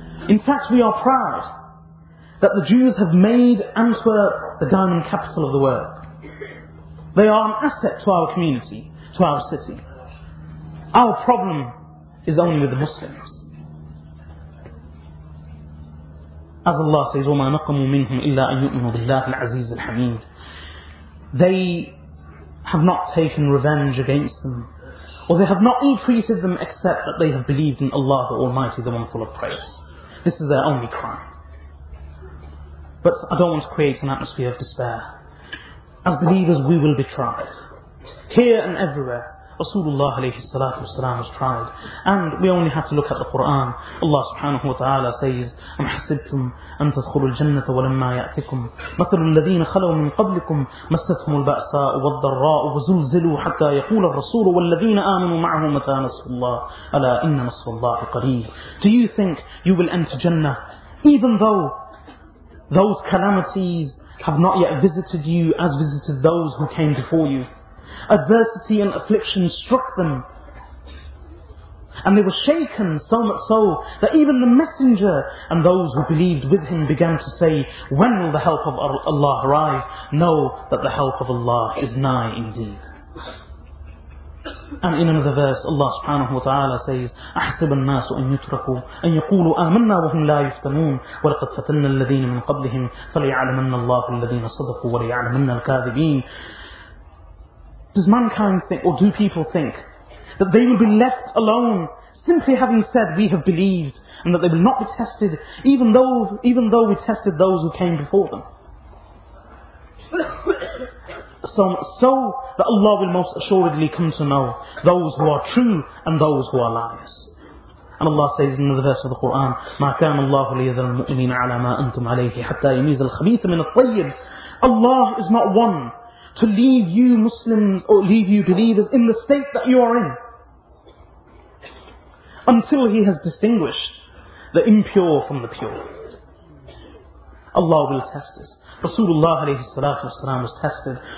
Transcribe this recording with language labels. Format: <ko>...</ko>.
<en>In fact, we are proud that the Jews have made Antwerp the diamond capital of the world. They are an asset to our community, to our city. Our problem is only with the Muslims. As Allah says,</en> <ar>وَمَا نَقَمُوا مِنْهُمْ إِلَّا أَن يُؤْمِنُوا بِاللَّهِ الْعَزِيزِ الْحَمِيدِ.</ar> <en>They have not taken revenge against them, or they have not entreated them except that they have believed in Allah the Almighty, the One full of praise. This is their only crime. But I don't want to create an atmosphere of despair. As believers, we will be tried. Here and everywhere, Rasulullah alayhi salatu wasalam was tried. And we only have to look at the Quran. Allah subhanahu wa ta'ala says,</en> <ar>أَمْ حَسِبْتُمْ أَن تَدْخُلُوا الْجَنَّةَ وَلَمَّا يَأْتِكُمْ مَثَلُ الَّذِينَ خَلَوْا مِنْ قَبْلِكُمْ مَسَّتْهُمُ الْبَأْسَاءُ وَالضَّرَّاءُ وَزُلْزِلُوا حَتَّى يَقُولَ الرَّسُولُ وَالَّذِينَ آمَنُوا مَعَهُ مَتَى نَصْرُ اللَّهِ أَلَا إِنَّ نَصْرَ اللَّهِ قَرِيبٌ.</ar> <en>Do you think you will enter Jannah even though those calamities have not yet visited you as visited those who came before you? Adversity and affliction struck them, and they were shaken so much so that even the messenger and those who believed with him began to say, when will the help of Allah arrive? Know that the help of Allah is nigh indeed. And in another verse, Allah subhanahu wa ta'ala says,</en> <ar>أَحْسَبَ النَّاسُ أَن يُتْرَكُوا أَن يَقُولُوا آمَنَّا وَهُمْ لَا يُفْتَنُونَ وَلَقَدْ فَتَنَّ الَّذِينَ مِنْ قَبْلِهِمْ فَلِيَعْلَمَنَّ اللَّهُ الَّذِينَ صَدَقُوا وَلِيَعْلَمَنَّ الْكَاذِبِينَ.</ar> <en>Does mankind think, or do people think, that they will be left alone simply having said we have believed, and that they will not be tested even though we tested those who came before them? So that Allah will most assuredly come to know those who are true and those who are liars. And Allah says in another verse of the Quran,</en> <ar>مَا كَانَ اللَّهُ لِيَذَرَ الْمُؤْمِنِينَ عَلَى مَا أَنْتُمْ عَلَيْهِ حَتَّى يَمِيزَ الْخَبِيثَ مِنَ الطَّيِّبِ.</ar> <en>Allah is not one to leave you Muslims or leave you believers in the state that you are in. Until he has distinguished the impure from the pure. Allah will test us. Rasulullah alayhi salatu wasalam was tested.</en>